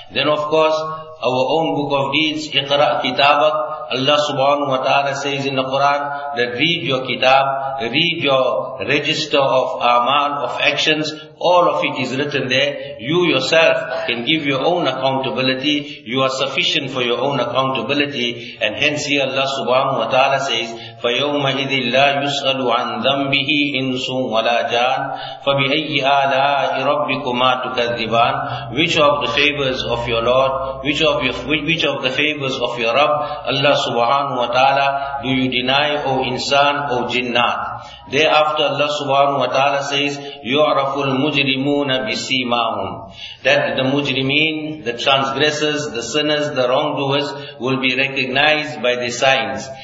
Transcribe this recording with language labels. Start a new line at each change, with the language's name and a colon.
English: Then of course, our own book of deeds, Iqra' Kitabak, Allah subhanahu wa ta'ala says in the Quran, that read your kitab, read your register of amal, of actions, all of it is written there. You yourself can give your own accountability. You are sufficient for your own accountability. And hence here Allah subhanahu wa ta'ala says,
Arabic: فَيَوْمَ إِذِ اللَّهِ يُسْأَلُ عَنْ ذَنْبِهِ إِنْسٌ وَلَا جَانٌ فَبِأَيِّ آلَاءِ رَبِّكُمَا تُكَذِّبَانٌ.
English: Which of the favors of your Lord, which of the favors of your Rabb, Allah subhanahu wa ta'ala, do you deny, O insan, O jinnat? Thereafter Allah subhanahu wa ta'ala says,
Arabic: يُعْرَفُ الْمُجْرِمُونَ بِسِيمَاهُمْ.
English: That the mujrimeen, the transgressors, the sinners, the wrongdoers, will be recognized by the signs.